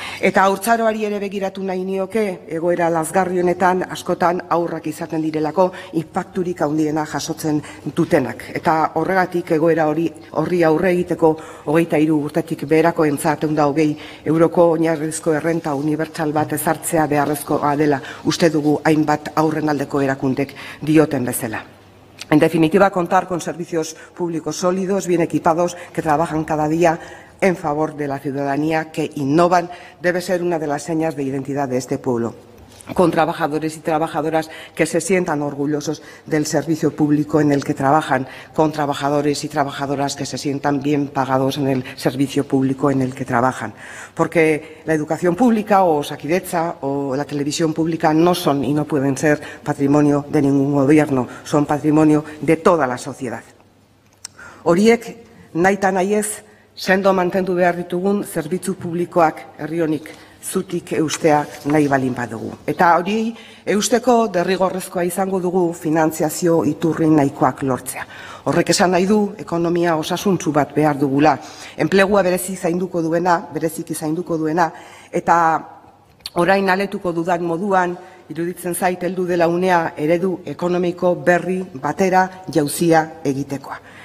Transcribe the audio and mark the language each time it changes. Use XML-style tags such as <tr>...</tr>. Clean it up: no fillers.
<eu>Eta haurtzaroari ere begiratu nahi nioke, egoera lazgarri honetan, askotan aurrak izaten direlako inpakturik handiena jasotzen dutenak. Eta horregatik egoera horri aurre egiteko 23 urtetik beherako entzat 120 euroko oinarrizko errenta unibertsal bat ezartzea beharrezkoa dela uste dugu hainbat aurren aldeko erakundek dioten bezala.</eu> <es>En definitiva, contar con servicios públicos sólidos, bien equipados, que trabajan cada día en favor de la ciudadanía, que innovan, debe ser una de las señas de identidad de este pueblo. Con trabajadores y trabajadoras que se sientan orgullosos del servicio público en el que trabajan, con trabajadores y trabajadoras que se sientan bien pagados en el servicio público en el que trabajan. Porque la educación pública o Osakidetza o la televisión pública no son y no pueden ser patrimonio de ningún gobierno, son patrimonio de toda la sociedad.</es> <eu>Horiek nahi ta nahi ez, sendo mantendu behar ditugun zerbitzu publikoak herri honek zutik eustea nahi balin badugu. Eta hori, eusteko derrigorrezkoa izango dugu finantziazio iturri nahikoak lortzea. Horrek esan nahi du, ekonomia osasuntzu bat behar dugula. Enplegua bereziki zainduko duena, eta orain aletuko dudan moduan, iruditzen zait heldu dela unea eredu ekonomiko berri batera jauzia egitekoa.</eu>